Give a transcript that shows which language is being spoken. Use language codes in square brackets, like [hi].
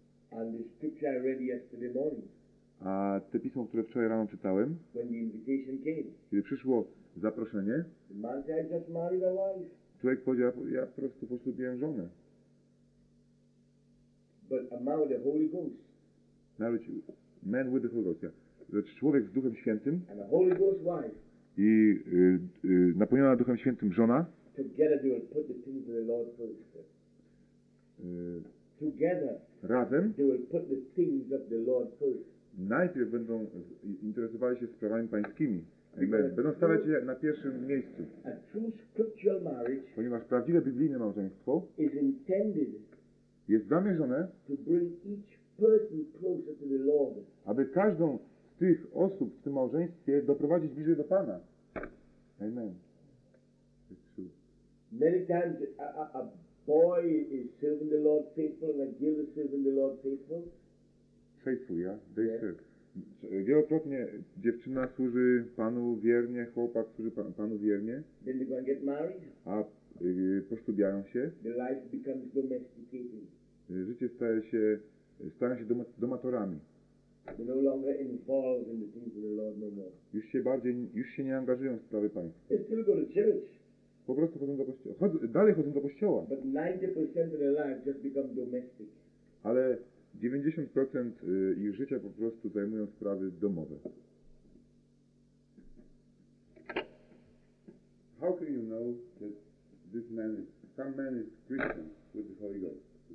[en] And the scripture I read yesterday morning. [pl] A te pismo, które wczoraj rano czytałem. [en] When the invitation came. [pl] Kiedy przyszło zaproszenie. [en] The man said, I just married a wife. [pl] Człowiek powiedział, ja po prostu poślubiłem żonę. [en] But a man with the Holy Ghost. Nawet man with the Holy Ghost, yeah. [pl] Człowiek z Duchem Świętym. [en] And a Holy Ghost wife. [pl] I napełniona Duchem Świętym żona. [en] Together they will put the things of the Lord first. Together. [pl] Razem. [en] They will put the things of the Lord first. [pl] Najpierw będą interesowali się sprawami pańskimi. Będą stawiać je na pierwszym miejscu. [en] A true scriptural marriage. [pl] Ponieważ prawdziwe biblijne małżeństwo. [en] Is intended. [pl] Jest zamierzone, [en] to bring each person closer to the Lord. [pl] Aby każdą z tych osób w tym małżeństwie doprowadzić bliżej do Pana. [en] Amen. It's true. Many times a boy is serving the Lord faithful and a girl is serving the Lord faithful. Faithful, yeah? They serve. [pl] Wielokrotnie dziewczyna służy panu wiernie, chłopak służy panu wiernie. [en] Then they go and get married. [pl] A poślubiają się. [en] The life becomes domesticated. [pl] Życie staje się, stają się domatorami. [en] They no longer involved in the things of the Lord no more. [pl] Już się bardziej, już się nie angażują w sprawy państwa. [en] They still go to church. [pl] Po prostu chodzą do kościoła. Dalej chodzą do kościoła. [en] But 90% of their life just become domestic. [pl] Ale 90% ich życia po prostu zajmują sprawy domowe. [en] How can you know that this man is, some man is Christian with the Holy Ghost?